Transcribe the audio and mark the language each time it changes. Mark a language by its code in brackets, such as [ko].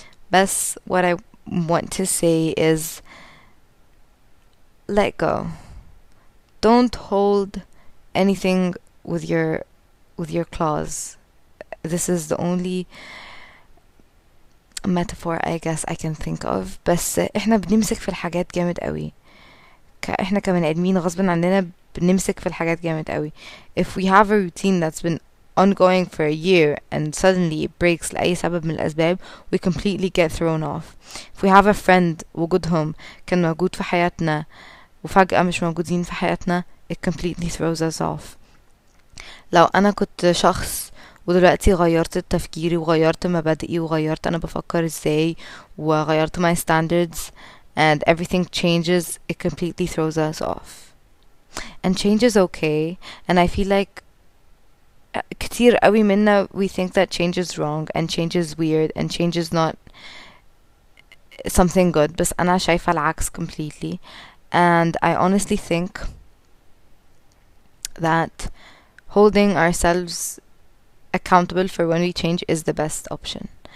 [en] But what I want to say is let go. Don't hold anything with your claws. This is the only metaphor I guess I can think of. [ar] بس احنا بنمسك في الحاجات جامد قوي. احنا كمان ادمين غصب عننا بنمسك في الحاجات جامد قوي. [en] If we have a routine that's been ongoing for a year and suddenly it breaks [ar] لأي سبب من الأسباب, [en] we completely get thrown off. If we have a friend [ar] وجودهم كان موجود في حياتنا [en] وفجأة مش موجودين في حياتنا, it completely throws us off. [ar] لو أنا كنت شخص ودلوقتي غيرت تفكيري وغيرت مبادئي وغيرت أنا بفكر إزاي وغيرت [en] my standards and everything changes, it completely throws us off. And change is okay, and I feel like [ar] كتير قوي منا [en] we think that change is wrong and change is weird and change is not something good, [ar] بس أنا شايفة العكس [en] completely. And I honestly think that holding ourselves accountable for when we change is the best option.